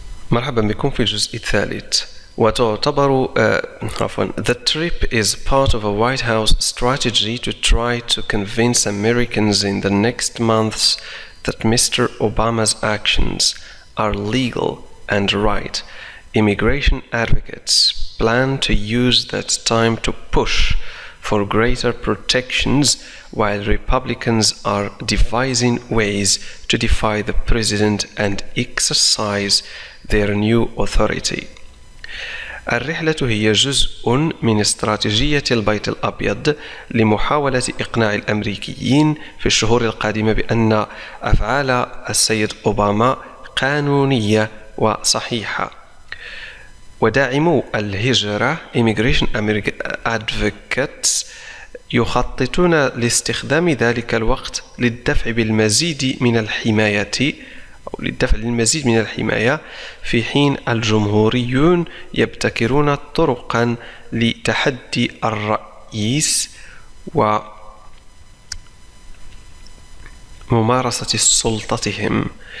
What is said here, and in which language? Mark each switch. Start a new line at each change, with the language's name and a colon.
Arabic: مرحبا بكم في الجزء الثالث. وتعتبر
English: the trip is part of a White House strategy to try to convince Americans in the next months that Mr. Obama's actions are legal and right. Immigration advocates plan to use that time to push for greater protections while Republicans are devising ways to defy the president and exercise their new authority.
Arabic: الرحلة هي جزء من استراتيجية البيت الأبيض لمحاولة إقناع الأمريكيين في الشهور القادمة بأن أفعال السيد أوباما قانونية وصحيحة. وداعمو الهجرة
English: Immigration Advocates
Arabic: يخططون لاستخدام ذلك الوقت للدفع بالمزيد من الحماية في حين الجمهوريون يبتكرون طرقا لتحدي الرئيس وممارسة سلطتهم.